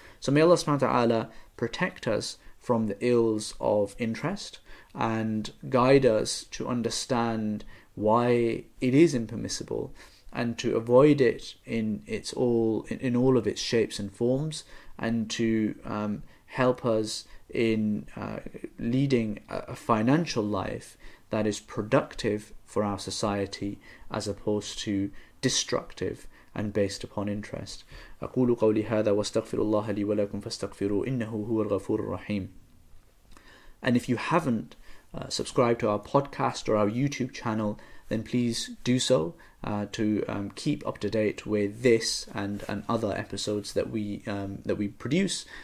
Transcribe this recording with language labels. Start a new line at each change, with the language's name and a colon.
English: So may Allah subhanahu wa ta'ala protect us from the ills of interest and guide us to understand why it is impermissible, and to avoid it in all of its shapes and forms, and to help us in leading a financial life that is productive for our society as opposed to destructive and based upon interest.
Arabic: أقول قولي هذا واستغفر الله لي ولكم فاستغفروا إنه هو الغفور الرحيم.
English: And if you haven't subscribed to our podcast or our YouTube channel, then please do so to keep up to date with this and other episodes that we produce.